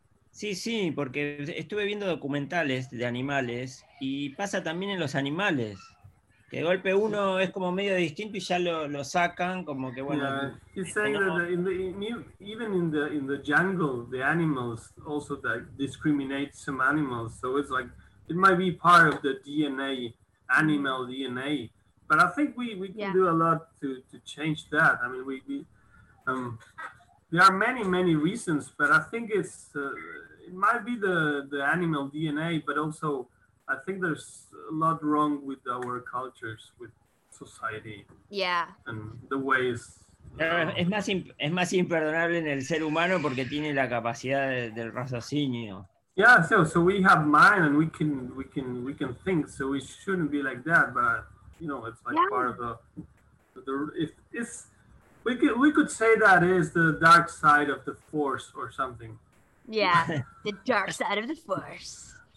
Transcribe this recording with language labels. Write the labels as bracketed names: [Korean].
[Spanish] Sí, porque estuve viendo documentales de animales y pasa también en los animales, que de golpe uno es como medio distinto y ya lo sacan como que bueno. [English] He's saying that even in the jungle the animals also that discriminate some animals, so it's like it might be part of the DNA, animal DNA, but I think we can do a lot to change that. I mean we there are many, many reasons, but I think it might be the animal DNA, but also I think there's a lot wrong with our cultures, with society. Yeah. And the ways. [Spanish] Es más imperdonable en el ser humano porque tiene la capacidad del raciocinio. [English] Yeah, so we have mind and we can think, so we shouldn't be like that, but you know, it's like part of the We could say that is the dark side of the force or something. Yeah, the dark side of the force.